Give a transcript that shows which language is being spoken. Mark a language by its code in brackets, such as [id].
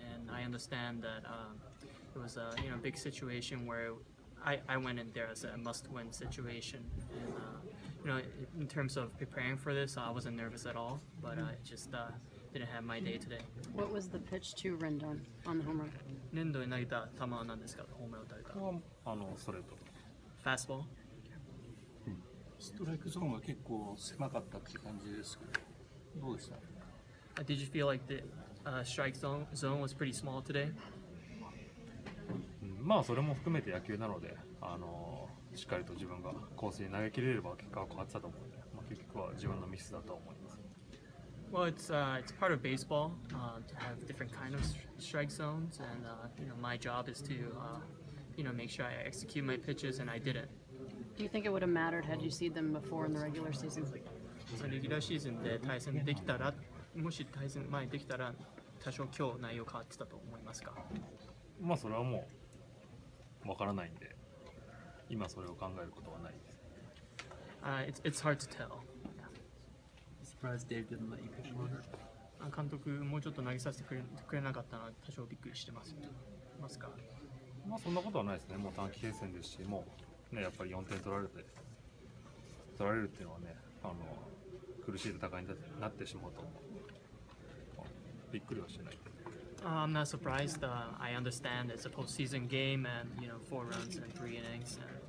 [en] I understand that it was a big situation where I went in there as a must-win situation. And, in terms of preparing for this, I wasn't nervous at all, but I just didn't have my day today. What was the pitch to Rendon on the home run? [ja] Rendon に投げた球なんですか？ホームランを打たれた。それと。 [en] Fastball? [ja] ストライクゾーンが結構狭かったって感じですけど、どうでした？ [en] Did you feel like the strike zone was pretty small today? [ja] まあそれも含めて野球なので、しっかりと自分がコースに投げ切れれば結果は変わったと思うので、まあ、結局は自分のミスだと思います。 [en] Well, it's part of baseball to have different kind of strike zones, and my job is to make sure I execute my pitches, and I didn't. Do you think it would have mattered had you seen them before in the regular season? [ja] そのレギュラーシーズンで対戦できたら。もし対戦前にできたら多少今日内容変わってたと思いますか？まあそれはもう分からないんで今それを考えることはないです。 [en] It's hard to tell. Surprised Dave didn't let you pitch longer. [ja] 監督もうちょっと投げさせてくれなかったら多少びっくりしてます。ますか？まあそんなことはないですね。もう短期決戦ですし、もうねやっぱり4点取られるっていうのはね苦しい戦いになってしまうと思う。びっくりはしない。 [en] I'm not surprised. I understand it's a postseason game and four runs and three innings.